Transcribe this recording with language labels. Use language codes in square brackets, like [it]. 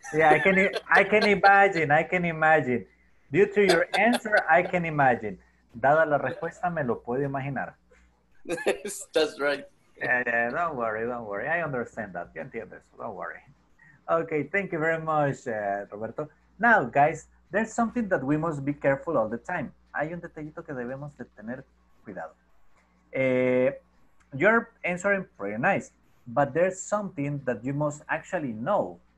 [en] Yeah, I can imagine. Due to your answer, I can imagine. [es] Dada la respuesta, me lo puedo imaginar. [en] That's right. Yeah, don't worry. I understand that. [es] Yo entiendo eso. [en] Don't worry. Okay, thank you very much, Roberto. Now, guys, there's something that we must be careful all the time. [es] Hay un detallito que debemos de tener cuidado. [en] You're answering pretty nice, but there's something that you must actually know.